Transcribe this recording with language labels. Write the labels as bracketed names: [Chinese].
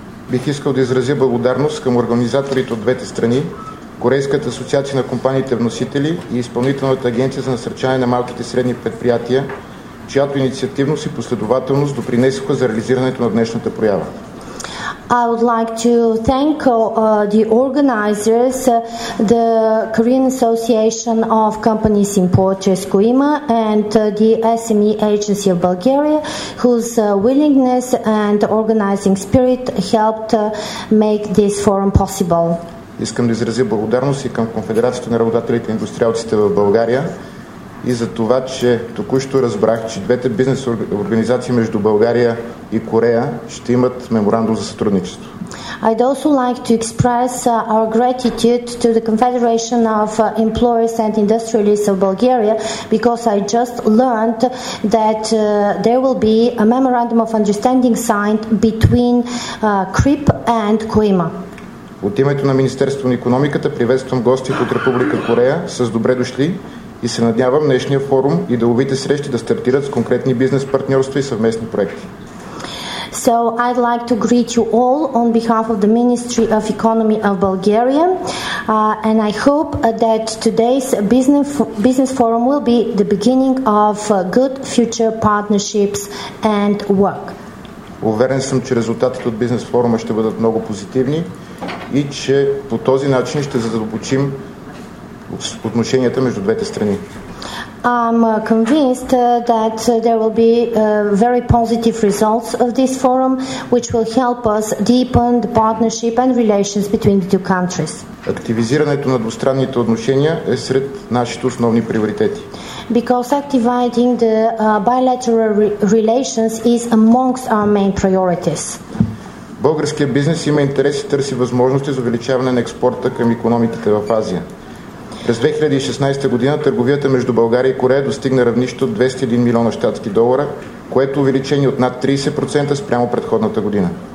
[Bulgarian] Бих искал да изразя благодарност към организаторите от двете страни, Корейската асоциация на компаниите вносители и Изпълнителната агенция за насърчаване на малките и средни предприятия, чиято инициативност и последователност допринесоха за реализирането на днешната проява. [English] I would like to thank the organizers, the Korean Association of Companies Importers Koima and the SME Agency of Bulgaria, whose willingness and organizing spirit helped make this forum possible. [Bulgarian] Искам да изразя благодарност и към Конфедерацията на работодателите и индустриалците в България и за това, че току-що разбрах, че двете бизнес организации между България и Корея ще имат меморандум за сътрудничество. [English] I'd also like to express our gratitude to the Confederation of Employers and Industrialists of Bulgaria because I just learned that there will be a memorandum of understanding signed between CRIP and COIMA. [Bulgarian] От името на Министерството на економиката приветствам гостите от Република Корея с добре дошли и се надявам днешния форум и деловите срещи да стартират с конкретни бизнес партньорства и съвместни проекти. [English] So I'd like to greet you all on behalf of the Ministry of Economy of Bulgaria and I hope that today's business forum will be the beginning of good future partnerships and work. [Bulgarian] Уверен съм, че резултатите от бизнес форума ще бъдат много позитивни и че по този начин ще задълбочим отношенията между двете страни. [English] I'm convinced that there will be very positive results of this forum, which will help us deepen the partnership and relations between the two countries. [Bulgarian] Активизирането на двустранните отношения е сред нашите основни приоритети. [English] because activating the bilateral relations is amongst our main priorities. [Bulgarian] Българският бизнес има интерес и търси възможности за увеличаване на експорта към икономиките в Азия. През 2016 година търговията между България и Корея достигна равнище от 201 милиона щатски долара, което увеличение от над 30% спрямо предходната година.